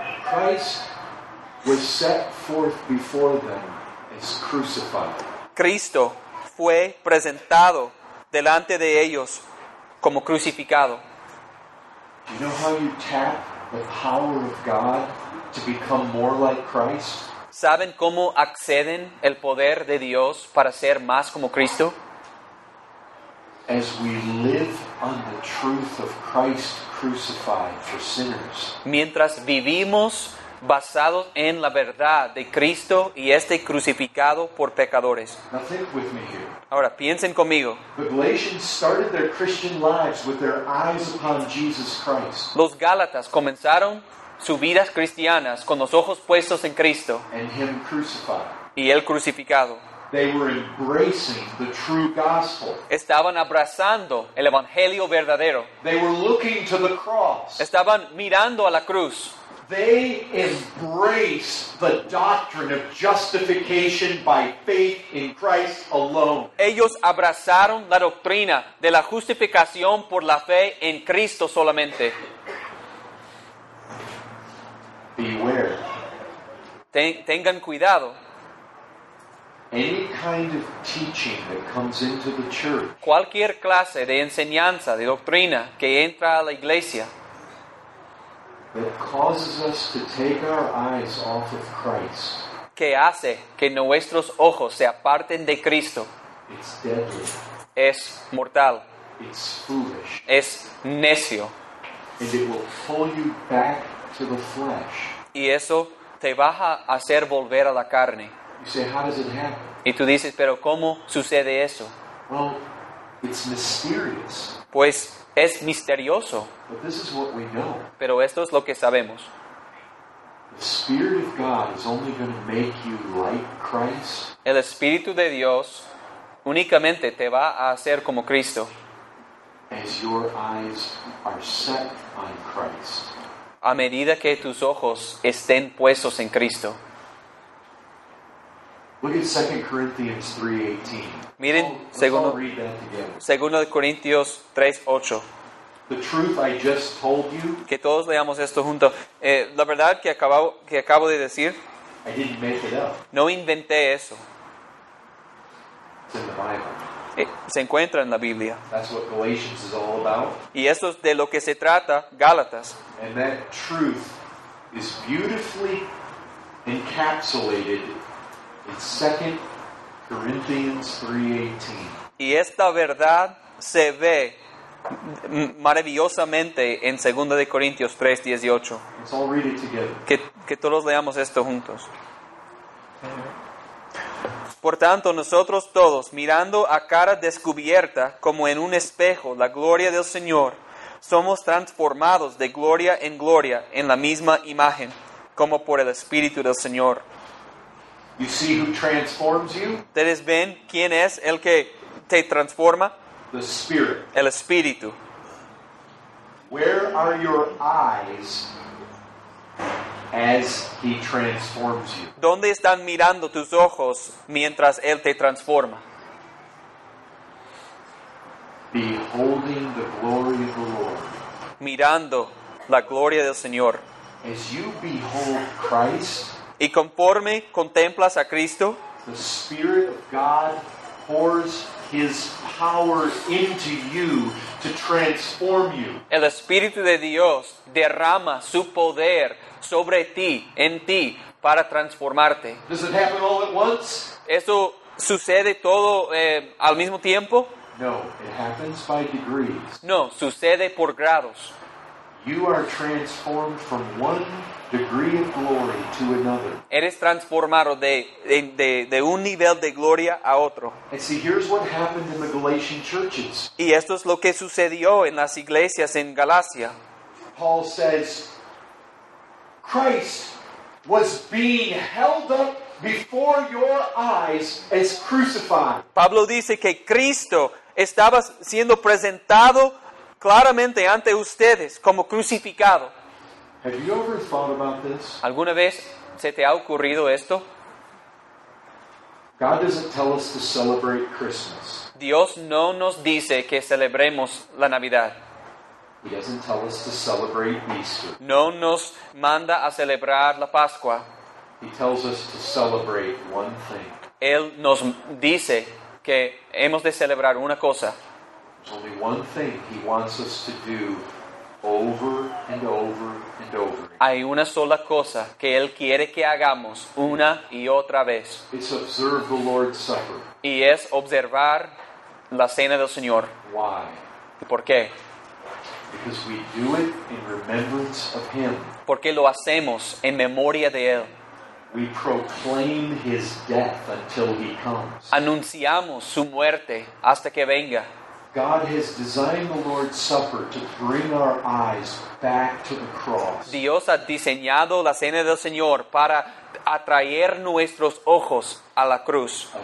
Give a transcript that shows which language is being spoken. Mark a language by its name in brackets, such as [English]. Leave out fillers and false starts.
[English] Christ was set forth before them as crucified. [Spanish] Cristo fue presentado delante de ellos como crucificado. [English] Do you know how you tap the power of God to become more like Christ? [Spanish] ¿Saben cómo acceden el poder de Dios para ser más como Cristo? [English] As we live on the truth of Christ crucified for sinners. [Spanish] Mientras vivimos basados en la verdad de Cristo y este crucificado por pecadores. [English] Now think with me here. [Spanish] Ahora piensen conmigo. [English] The Galatians started their Christian lives with their eyes upon Jesus Christ. [Spanish] Los Gálatas comenzaron sus vidas cristianas con los ojos puestos en Cristo [English] and him crucified. [Spanish] Y Él crucificado. [English] They were embracing the true gospel. [Spanish] Estaban abrazando el Evangelio verdadero. [English] They were looking to the cross. [Spanish] Estaban mirando a la cruz. [English] They embraced the doctrine of justification by faith in Christ alone. [Spanish] Ellos abrazaron la doctrina de la justificación por la fe en Cristo solamente. [English] Beware. [Spanish] Tengan cuidado. [English] Any kind of teaching that comes into the church. [Spanish] Cualquier clase de enseñanza, de doctrina que entra a la iglesia. [English] That causes us to take our eyes off of Christ. [Spanish] Que hace que nuestros ojos se aparten de Cristo. [English] It's deadly. [Spanish] Es mortal. [English] It's foolish. [Spanish] Es necio. [English] And it will pull you back to the flesh. [Spanish] Y eso te va a hacer volver a la carne. [English] You say, how does it happen? [Spanish] Y tú dices, pero ¿cómo sucede eso? [English] Well, it's mysterious. [Spanish] Pues es misterioso. [English] But this is what we know. [Spanish] Pero esto es lo que sabemos. [English] The Spirit of God is only going to make you like Christ. [Spanish] El Espíritu de Dios únicamente te va a hacer como Cristo. [English] As your eyes are set on Christ. [Spanish] A medida que tus ojos estén puestos en Cristo. [English] Look at 2 Corinthians 3:18. [Spanish] Miren, [English] let's all read that together. [Spanish] 2 Corintios 3:8. [English] The truth I just told you. [Spanish] Que todos leamos esto juntos. La verdad que acabo de decir. [English] I didn't make it up. [Spanish] No inventé eso. [English] It's in the Bible. [Spanish] Se encuentra en la Biblia. [English] That's what Galatians is all about. [Spanish] Y eso es de lo que se trata, Gálatas. [English] And that truth is beautifully encapsulated in 2 Corinthians 3:18. [Spanish] Y esta verdad se ve maravillosamente en 2 Corintios 3:18. [English] Let's all read it together. [Spanish] Que todos leamos esto juntos. Por tanto, nosotros todos, mirando a cara descubierta, como en un espejo, la gloria del Señor, somos transformados de gloria en gloria en la misma imagen, como por el Espíritu del Señor. [English] You see who transforms you? [Spanish] ¿Ustedes ven quién es el que te transforma? [English] The Spirit. [Spanish] El Espíritu. [English] Where are your eyes as he transforms you? [Spanish] ¿Dónde están mirando tus ojos mientras él te transforma? [English] Beholding the glory of the Lord. [Spanish] Mirando la gloria del Señor. [English] As you behold Christ, [Spanish] y conforme contemplas a Cristo, [English] the Spirit of God pours his power into you to transform you. [Spanish] El Espíritu de Dios derrama su poder sobre ti, en ti, para transformarte. [English] Does it happen all at once? [Spanish] ¿Eso sucede todo al mismo tiempo? [English] No, it happens by degrees. [Spanish] No, sucede por grados. [English] You are transformed from one degree of glory to another. [Spanish] Eres transformado de un nivel de gloria a otro. [English] And see, here's what happened in the Galatian churches. [Spanish] Y esto es lo que sucedió en las iglesias en Galacia. [English] Paul says, Christ was being held up before your eyes as crucified. [Spanish] Pablo dice que Cristo estaba siendo presentado claramente ante ustedes como crucificado. [English] Have you ever thought about this? [Spanish] ¿Alguna vez se te ha ocurrido esto? [English] God doesn't tell us to celebrate Christmas. [Spanish] Dios no nos dice que celebremos la Navidad. [English] He doesn't tell us to celebrate Easter. [Spanish] No nos manda a celebrar la Pascua. [English] He tells us to celebrate one thing. [Spanish] Él nos dice que hemos de celebrar una cosa. [English] There's only one thing he wants us to do over and over and over. [Spanish] Hay una sola cosa que él quiere que hagamos una y otra vez. [English] It's observe the Lord's Supper. [Spanish] Y es observar la cena del Señor. [English] Why? [Spanish] ¿Por qué? [English] Because we do it in remembrance of him. [Spanish] Porque lo hacemos en memoria de él. [English] We proclaim his death until he comes. [Spanish] Anunciamos su muerte hasta que venga. [English] God has designed the Lord's Supper to bring our eyes back to the cross. [Spanish] Dios ha diseñado la cena del Señor para atraer nuestros ojos a la cruz.